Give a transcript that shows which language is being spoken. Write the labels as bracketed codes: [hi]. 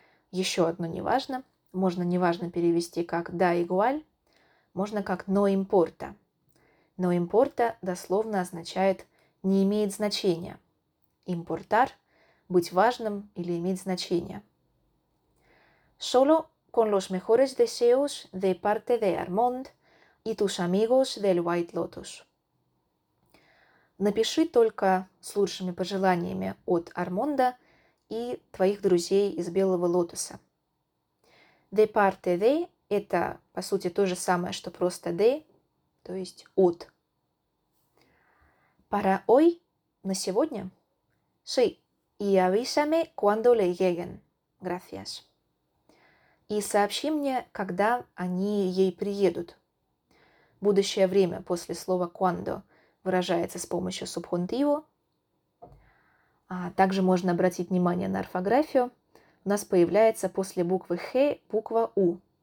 [ru] Еще одно неважно. Можно неважно перевести как [es] da igual. [ru] Можно как [es] no importa. No importa [ru] дословно означает не имеет значения. Importar – быть важным или иметь значение. [es] Solo con los mejores deseos de parte de Armand y tus amigos del White Lotus. [ru] Напиши только с лучшими пожеланиями от Армонда и твоих друзей из Белого Лотоса. [es] De parte de [ru] – это, по сути, то же самое, что просто de, то есть от. [es] Para hoy – [ru] на сегодня? [es] Sí. Y avísame cuando le lleguen. Gracias. [ru] И сообщи мне, когда они ей приедут. Будущее время после слова cuando выражается с помощью субхунтиву. А также можно обратить внимание на орфографию. У нас появляется после буквы «х» буква «у».